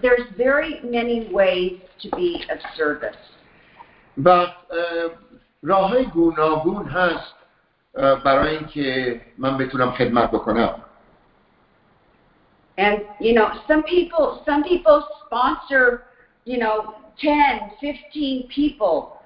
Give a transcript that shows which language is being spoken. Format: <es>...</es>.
<en>There's very many ways to be of service. But</en> <fa>راه‌های گوناگون هست برای اینکه من بتونم خدمت بکنم.</fa> <en>And you know, some people sponsor, you know, 10, 15 people.</en>